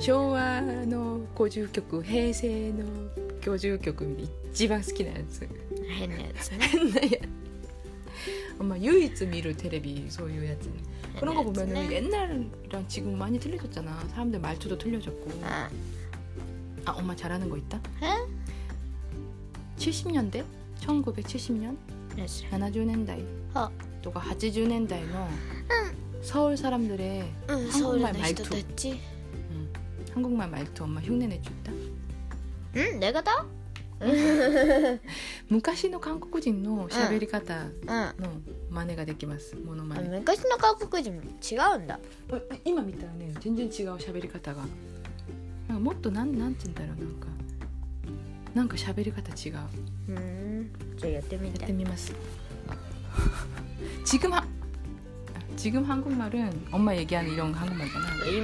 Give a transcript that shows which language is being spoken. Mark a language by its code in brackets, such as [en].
[ja] 昭和の50曲平成の50曲一番好きなやつ変なやつ変なやつ [ko] 엄마 [ja] 唯一見るテレビそういうやつ [ko] 그런거보면은옛날랑지금많이틀려졌잖아사람들말투도틀려졌고 아엄마잘하는거있다 응 치 70년대? 1970년? 70년대 또가 80년대의 서울 사람들의 한국말 말투 됐지? 한국말 말투 엄마 흉내내줬다? 응? 내가 다? [ja] 昔の 韓国人の喋り方の真似ができます。モノマネ。昔の韓国人違うんだ。今見たらね、全然違う喋り方が。もっとなんて言うんだろう、なんか喋り方違う。じゃあやってみて。やってみます。今、 [ko] 韓国말은 엄마 얘기하는 이런 한국말 잖아.